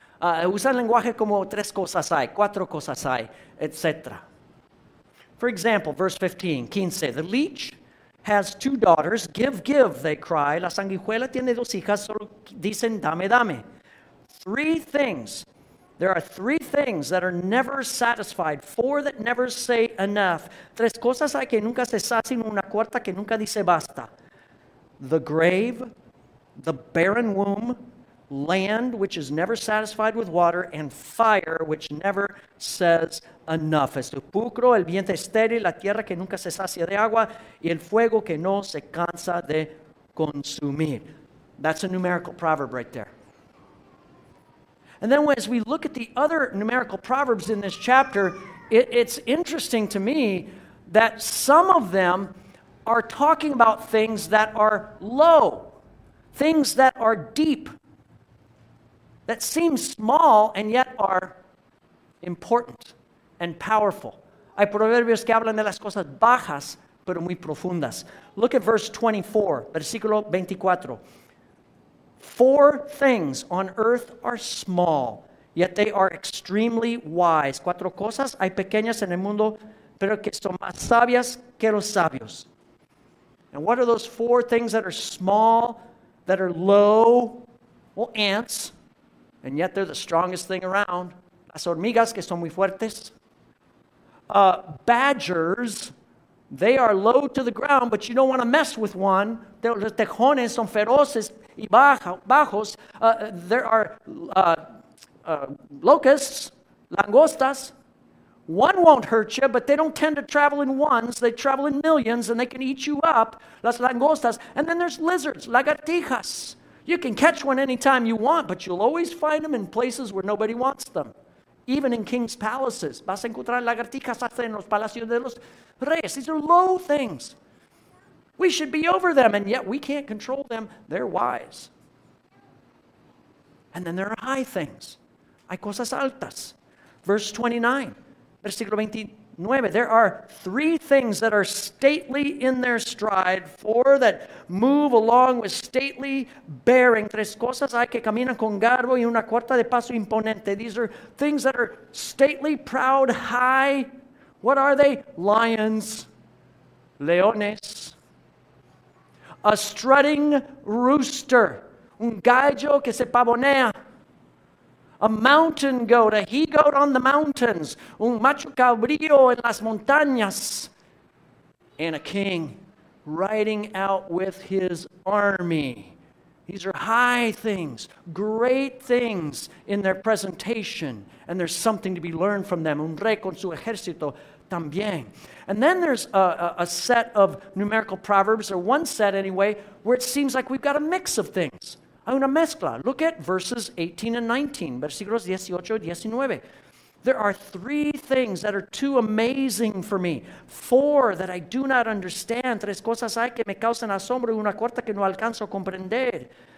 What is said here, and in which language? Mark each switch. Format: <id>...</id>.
<es>Usan lenguaje como tres cosas hay, cuatro cosas hay, etc.</es> <en>For example, verse 15, 15, the leech has two daughters, give, give, they cry.</en> <es>La sanguijuela tiene dos hijas, solo dicen dame, dame.</es> <en>Three things. There are three things that are never satisfied, four that never say enough.</en> <es>Tres cosas hay que nunca se sacian, una cuarta que nunca dice basta.</es> <en>The grave, the barren womb, land which is never satisfied with water, and fire which never says enough.</en> <es>El sepulcro, el vientre estéril, la tierra que nunca se sacia de agua, y el fuego que no se cansa de consumir.</es> <en>That's a numerical proverb right there. And then as we look at the other numerical proverbs in this chapter, it's interesting to me that some of them are talking about things that are low, things that are deep, that seem small and yet are important and powerful.</en> <es>Hay proverbios que hablan de las cosas bajas, pero muy profundas.</es> <en>Look at verse 24,</en> <es>versículo 24.</es> <en>Four things on earth are small, yet they are extremely wise.</en> <es>Cuatro cosas hay pequeñas en el mundo, pero que son más sabias que los sabios.</es> <en>And what are those four things that are small, that are low? Well, ants, and yet they're the strongest thing around.</en> <es>Las hormigas, que son muy fuertes.</es> <en>Badgers, they are low to the ground, but you don't want to mess with one.</en> <es>Los tejones son feroces y bajos.</es> <en>There are locusts, langostas. One won't hurt you, but they don't tend to travel in ones. They travel in millions, and they can eat you up, las langostas. And then there's lizards, lagartijas. You can catch one anytime you want, but you'll always find them in places where nobody wants them. Even in king's palaces.</en> <es>Vas a encontrar lagartijas hasta en los palacios de los reyes.</es> <en>These are low things. We should be over them, and yet we can't control them. They're wise. And then there are high things.</en> <es>Hay cosas altas.</es> <en>Verse 29.</en> <es>Versículo 29.</es> <en>There are three things that are stately in their stride. Four that move along with stately bearing.</en> <es>Tres cosas hay que caminan con garbo y una cuarta de paso imponente.</es> <en>These are things that are stately, proud, high. What are they? Lions. Leones. A strutting rooster.</en> <es>Un gallo que se pavonea.</es> <en>A mountain goat, a he-goat on the mountains,</en> <es>un macho cabrío en las montañas,</es> <en>and a king riding out with his army. These are high things, great things in their presentation, and there's something to be learned from them.</en> <es>Un rey con su ejército también.</es> <en>And then there's a set of numerical proverbs, or one set anyway, where it seems like we've got a mix of things.</en> <es>Hay una mezcla.</es> <en>Look at verses 18 and 19,</en> <es>versículos 18 y 19.</es> <en>There are three things that are too amazing for me. Four that I do not understand.</en> <es>Tres cosas hay que me causan asombro y una cuarta que no alcanzo a comprender.</es>